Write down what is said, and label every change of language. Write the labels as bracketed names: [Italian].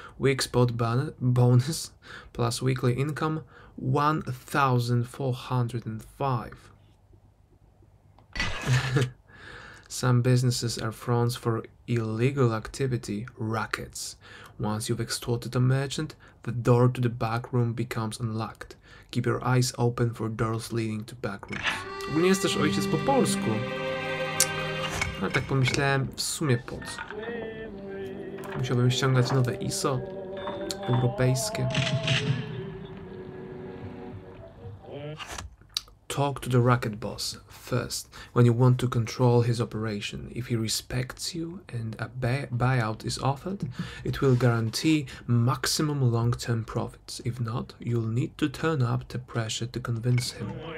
[English] Week spot bonus plus weekly income 1,405. Some businesses are fronts for illegal activity, rackets. Once you've extorted a merchant, the door to the back room becomes unlocked. Keep your eyes open for doors leading to backrooms. [Polish] W ogóle nie jest też ojciec po polsku. Ale tak pomyślałem, w sumie po co? Musiałbym ściągać nowe ISO europejskie. [English] Talk to the racket boss first when you want to control his operation. If he respects you and a buyout is offered, it will guarantee maximum long-term profits. If not, you'll need to turn up the pressure to convince him.